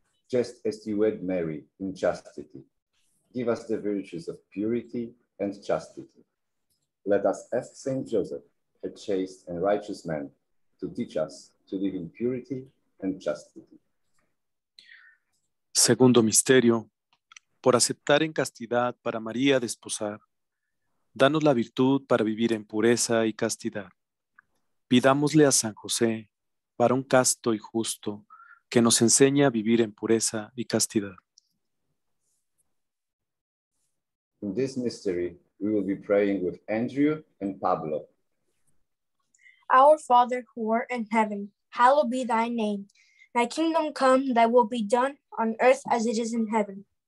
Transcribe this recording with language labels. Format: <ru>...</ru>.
<en>Just as you wed Mary in chastity, give us the virtues of purity and chastity. Let us ask Saint Joseph, a chaste and righteous man, to teach us to live in purity and chastity.</en> <es>Segundo misterio, por aceptar en castidad para María desposar, danos la virtud para vivir en pureza y castidad. Pidámosle a San José, varón casto y justo, que nos enseñe a vivir en pureza y castidad.</es> <en>In this mystery, we will be praying with Andrew and Pablo. Our Father who art in heaven, hallowed be thy name. Thy kingdom come, thy will be done on earth as it is in heaven.</en>